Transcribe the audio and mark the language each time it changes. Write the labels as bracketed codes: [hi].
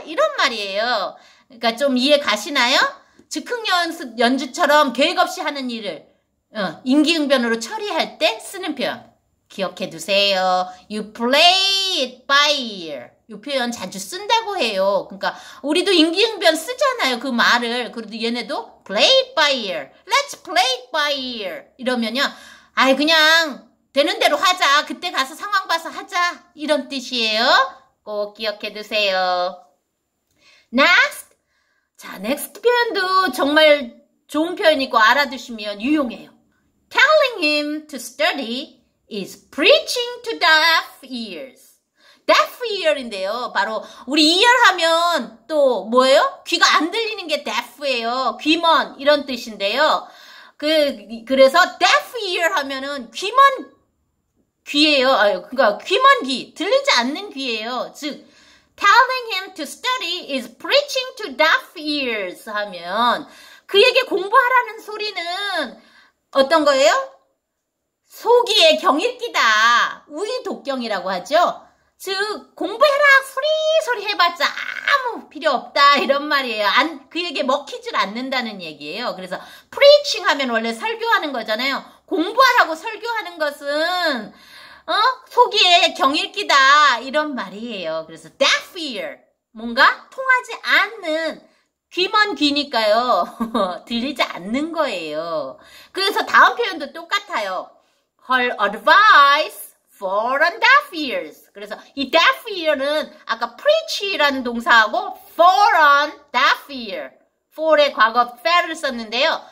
[ko] 이런 말이에요. 그러니까 좀 이해 가시나요? 즉흥 연주처럼 계획 없이 하는 일을 임기응변으로 처리할 때 쓰는 표현 기억해 두세요. [en] You play it by ear. [ko] 이 표현 자주 쓴다고 해요. 그러니까 우리도 임기응변 쓰잖아요. 그 말을. 그래도 얘네도 [en] play it by ear. Let's play it by ear. [ko] 이러면요. 아이 그냥 되는 대로 하자. 그때 가서 상황 봐서 하자. 이런 뜻이에요. 꼭 기억해 두세요. Next. 자, 넥스트 표현도 정말 좋은 표현이고 알아두시면 유용해요. [en] Telling him to study is preaching to deaf ears. Deaf ear인데요. [ko] 바로 우리 ear 하면 또 뭐예요? 귀가 안 들리는 게 deaf예요. 귀먼 이런 뜻인데요. 그래서 deaf ear 하면은 귀먼 귀예요. 아유, 그러니까 귀먼 귀, 들리지 않는 귀예요. 즉 [en] Telling him to study is preaching to deaf ears [ko] 하면 그에게 공부하라는 소리는 어떤 거예요? 소기의 경읽기다. 우이독경이라고 하죠. 즉 공부해라 소리소리 해봤자 아무 필요 없다 이런 말이에요. 그에게 먹히질 않는다는 얘기예요. 그래서 preaching 하면 원래 설교하는 거잖아요. 공부하라고 설교하는 것은 소기의 경읽기다 이런 말이에요. 그래서 deaf ear 뭔가 통하지 않는 귀먼 귀니까요. 들리지 않는 거예요. 그래서 다음 표현도 똑같아요. [en] Her advice fall on deaf ears. [ko] 그래서 이 deaf ear는 아까 preach라는 동사하고 fall on deaf ear. fall의 과거 fell을 썼는데요.